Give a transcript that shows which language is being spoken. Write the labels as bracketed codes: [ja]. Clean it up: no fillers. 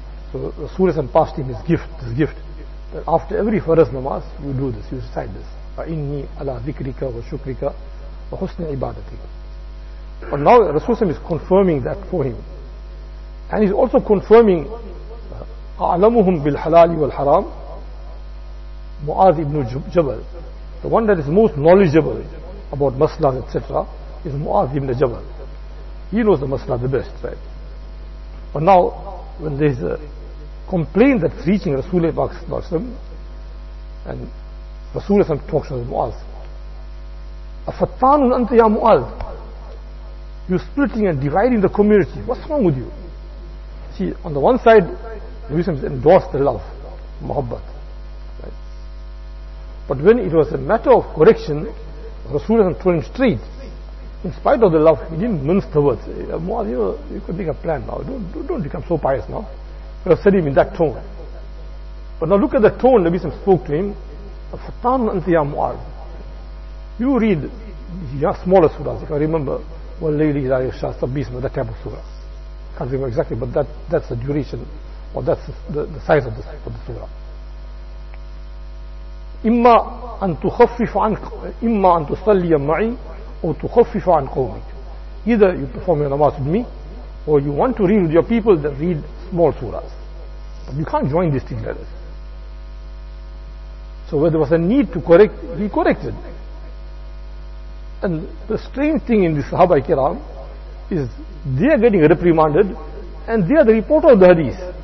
[en] So, Rasulullah has passed him this gift. That after every faras namaz, you do this, you recite this. [ar] A'inni ala zikrika wa shukrika wa husni ibadati. [en] But now Rasulullah is confirming that for him. And he's also confirming [ar] أعلمهم بالحلال والحرام Mu'adh ibn Jabal. [en] The one that is most knowledgeable about maslahs, etc., is Mu'adh ibn Jabal. He knows the maslah the best, right? But now, when there is a complaint that's reaching Rasulullah sallallahu alayhi wa sallam, and Rasulullah sallallahu alayhi wa sallam talks to Mu'adh, [ar] أَفَتَّانٌ أَنْتَ يَا [en] Mu'adh, you're splitting and dividing the community. What's wrong with you? See, on the one side, Rasulullah sallallahu alayhi wa sallam endorsed the love, muhabbat. But when it was a matter of correction, Rasulullah told him straight, in spite of the love, he didn't mince the words. Mu'adh, you could make a plan now. Don't become so pious now. He would have said him in that tone. But now look at the tone Nabi spoke to him. [ar] Fatan anta ya [en] Mu'adh. You read your smaller surahs. If I remember, Wallayli ila yasha sabbisma, that type of surah. Can't remember exactly, but that's the duration, or that's the size of the surah. [ar] إما أن تخفف عن إما أن تصلي معي أو تخفف عن قومي. [en] Either you perform your namaz with me, or you want to read with your people, then read small surahs. But you can't join these things like this. So where there was a need to correct, he corrected. And the strange thing in the Sahaba Kiram is they are getting reprimanded, and they are the reporter of the hadith.